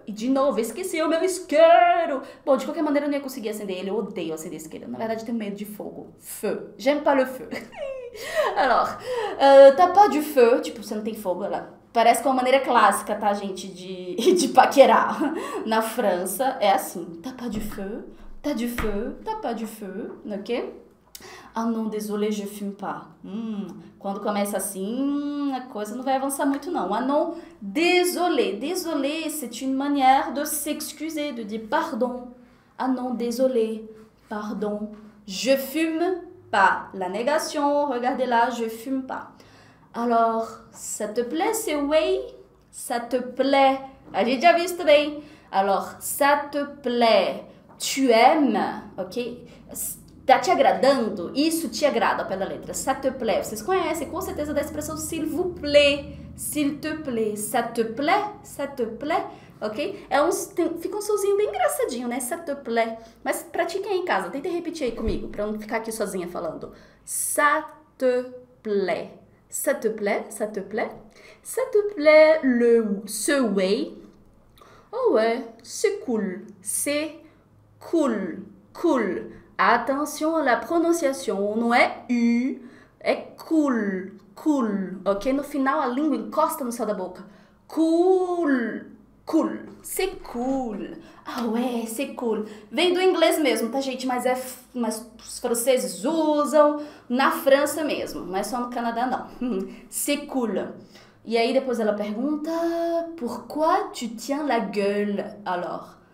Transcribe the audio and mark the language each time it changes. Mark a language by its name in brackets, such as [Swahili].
[Portuguese] E de novo, esqueci o meu isqueiro. Bom, de qualquer maneira, eu não ia conseguir acender ele. Eu odeio acender isqueiro. Na verdade, tenho medo de fogo. [French] Feu. J'aime pas le feu. Alors, t'as pas du feu? [Portuguese] Tipo, você não tem fogo, ela... Parece que é uma maneira clássica, tá, gente, de paquerar na França. É assim, [French] t'as pas du feu? T'as du feu? T'as pas du feu? Ok? Ah, non, désolé, je fume pas. [Portuguese] Quando começa assim, a coisa não vai avançar muito, não. [French] Ah, non, désolé. Désolé, c'est une manière de s'excuser, de dire pardon. Ah, non, désolé. Pardon. Je fume pas. La négation, regardez là, je fume pas. Alors, ça te plaît, c'est oui? Ça te plaît? [Portuguese] A gente já viu isso também. [French] Alors, ça te plaît. Tu aimes? Ok? [Portuguese] Tá te agradando? Isso te agrada ao pé da letra. [French] Ça te plaît. [Portuguese] Vocês conhecem com certeza da expressão s'il vous plaît. [French] S'il te plaît. Ça te plaît? Ça te plaît? Ok? [Portuguese] Fica um sonzinho bem engraçadinho, né? [French] Ça te plaît. [Portuguese] Mas pratiquem aí em casa. Tentem repetir aí comigo, pra eu não ficar aqui sozinha falando. [French] Ça te plaît. Ça te plaît? Ça te plaît? Ça te plaît ce way? Oh ouais, c'est cool. C'est cool. Cool. Attention à la prononciation. [Portuguese] Não é U, é cool. Cool. Ok? No final a língua encosta no céu da boca. [French] Cool. Cool. C'est cool. Ah ouais, c'est cool. [Portuguese] Vem do inglês mesmo, tá, gente? Mas os franceses usam na França mesmo. Não é só no Canadá, não. C'est cool. E aí depois ela pergunta: [French] Pourquoi tu tiens la gueule alors?